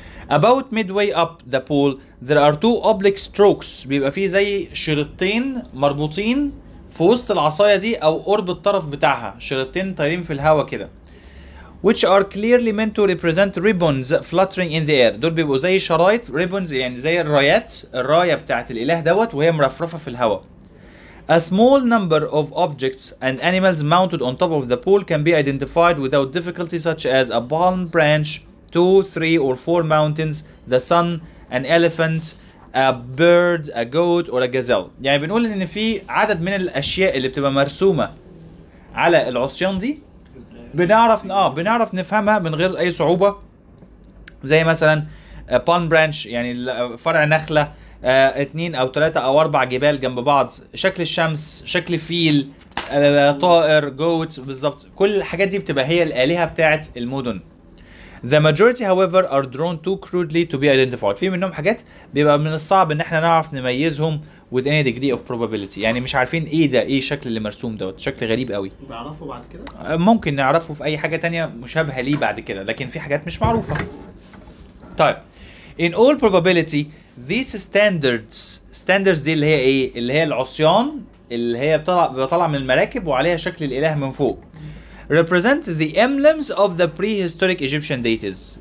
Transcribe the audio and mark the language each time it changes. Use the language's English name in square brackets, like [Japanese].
[English] About midway up the pole there are two oblique strokes، [Arabic] بيبقى فيه زي شريطين مربوطين في وسط العصايه دي او قرب الطرف بتاعها، شريطين طايرين في الهواء كده. [English] Which are clearly meant to represent ribbons fluttering in the air، [Arabic] دول بيبقوا زي شرايط، ribbons يعني زي الرايات، الرايه بتاعت الاله دوت وهي مرفرفه في الهواء. [English] A small number of objects and animals mounted on top of the pole can be identified without difficulty such as a palm branch, two, three or four mountains, the sun, an elephant, a bird, a goat or a gazelle. [Arabic] يعني بنقول ان في عدد من الاشياء اللي بتبقى مرسومة على العصيان دي بنعرف نفهمها من غير اي صعوبة، زي مثلا palm branch يعني فرع نخلة، اتنين او تلاتة او اربع جبال جنب بعض، شكل الشمس، شكل فيل، طائر، goat، بالظبط كل الحاجات دي بتبقى هي الالهة بتاعت المدن. [English] The majority however are drawn too crudely to be identified. [Arabic] في منهم حاجات بيبقى من الصعب ان احنا نعرف نميزهم [English] with any degree of probability. [Arabic] يعني مش عارفين ايه ده، ايه الشكل اللي مرسوم دوت، شكل غريب قوي. بنعرفه بعد كده؟ ممكن نعرفه في اي حاجة تانية مشابهة ليه بعد كده، لكن في حاجات مش معروفة. طيب [English] in all probability these standards, standards [Arabic] دي اللي هي ايه؟ اللي هي العصيان اللي هي بطلع من المراكب وعليها شكل الاله من فوق [English] represent the emblems of the prehistoric Egyptian deities.